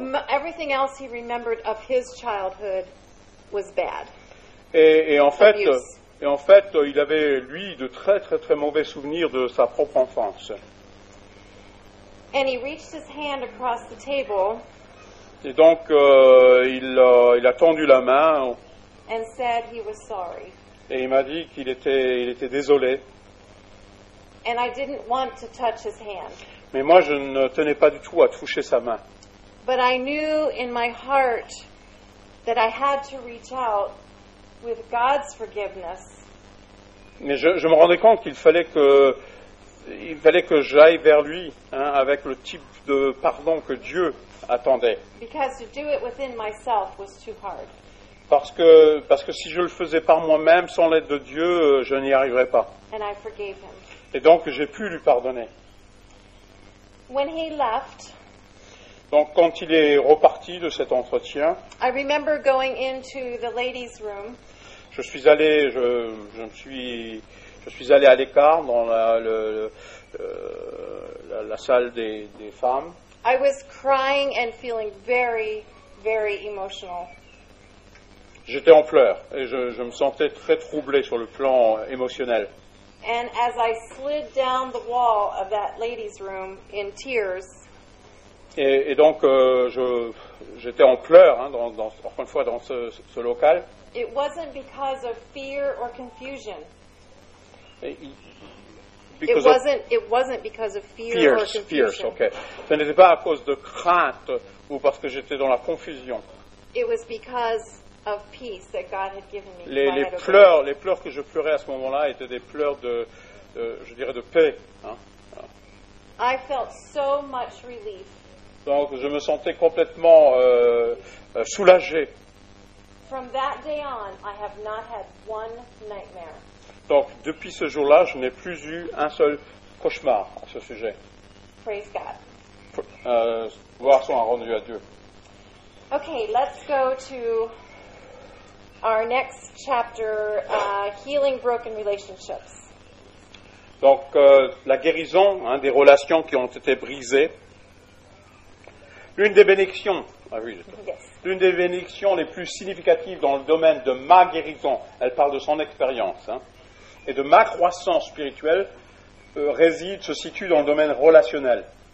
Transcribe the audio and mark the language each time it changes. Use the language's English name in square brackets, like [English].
[English] Everything else he remembered of his childhood was bad. [French] Et en fait, il avait, lui, de très, très, très mauvais souvenirs de sa propre enfance. [English] And he reached his hand across the table. [French] Et donc, il a tendu la main. [English] And said he was sorry. [French] Et il m'a dit qu'il était, il était désolé. [English] And I didn't want to touch his hand. [French] Mais moi, je ne tenais pas du tout à toucher sa main. [English] But I knew in my heart that I had to reach out with God's forgiveness. [French] Mais je me rendais compte qu'il fallait que j'aille vers lui, hein, avec le type de pardon que Dieu attendait. [English] Because to do it within myself was too hard. [French] Parce que si je le faisais par moi-même sans l'aide de Dieu, je n'y arriverais pas. [English] And I forgave him. [French] Et donc j'ai pu lui pardonner. [English] When he left, [French] donc quand il est reparti de cet entretien, [English] I remember going into the ladies' room. [French] Je suis allé à l'écart dans la salle des femmes. [English] I was crying and feeling very, very emotional. [French] J'étais en pleurs et je me sentais très troublé sur le plan émotionnel. [English] And as I slid down the wall of that ladies' room in tears. [French] Et donc j'étais en pleurs, hein, dans encore une fois dans ce local. [English] It wasn't because of fear or confusion. Okay. [French] Ce n'était pas à cause de crainte ou parce que j'étais dans la confusion. [English] It was because of peace that God had given me. [French] Les pleurs que je pleurais à ce moment-là étaient des pleurs de paix, hein. [English] I felt so much relief. [French] Donc je me sentais complètement soulagé. [English] From that day on, I have not had one nightmare. [French] Donc depuis ce jour-là, je n'ai plus eu un seul cauchemar à ce sujet. [English] Praise God. [French] Gloire soit rendue à Dieu. [English] Okay, let's go to our next chapter, healing broken relationships. [French] Donc la guérison, hein, des relations qui ont été brisées. L'une des bénédictions les plus significatives dans le domaine de ma guérison, elle parle de son expérience, hein, et de ma croissance spirituelle, se situe dans le domaine relationnel.